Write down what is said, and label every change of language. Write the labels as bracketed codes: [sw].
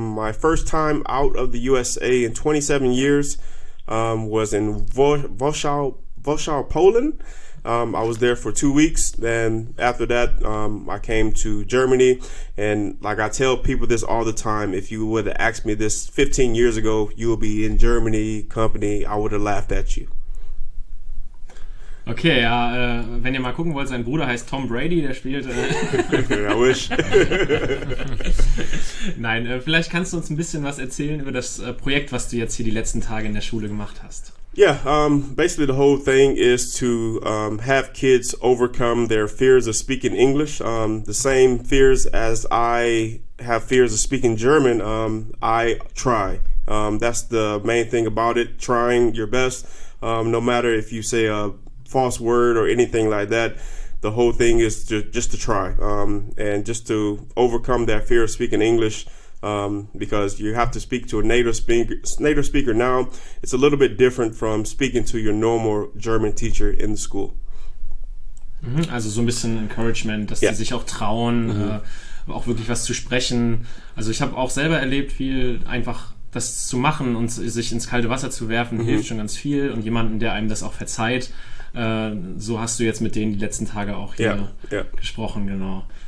[en] My first time out of the USA in 27 years, was in Warsaw, Poland. I was there for 2 weeks. Then after that, I came to Germany. And like I tell people this all the time, if you would have asked me this 15 years ago, you would be in Germany company, I would have laughed at you. [de] Okay, ja, wenn ihr mal gucken wollt, sein Bruder heißt Tom Brady, der spielt. [en] I wish. [de] Nein, vielleicht kannst du uns ein bisschen was erzählen über das Projekt, was du jetzt hier die letzten Tage in der Schule gemacht hast. [en] Yeah, basically the whole thing is to have kids overcome their fears of speaking English. The same fears as I have fears of speaking German, I try. That's the main thing about it, trying your best. No matter if you say a false word or anything like that, the whole thing is just to try and just to overcome that fear of speaking English, because you have to speak to a native speaker. Now it's a little bit different from speaking to your normal German teacher in the school. [de] Also so ein bisschen Encouragement, dass sie sich auch trauen, auch wirklich was zu sprechen. Also ich habe auch selber erlebt, wie einfach das zu machen und sich ins kalte Wasser zu werfen hilft schon ganz viel, und jemanden, der einem das auch verzeiht. So hast du jetzt mit denen die letzten Tage auch hier gesprochen, genau.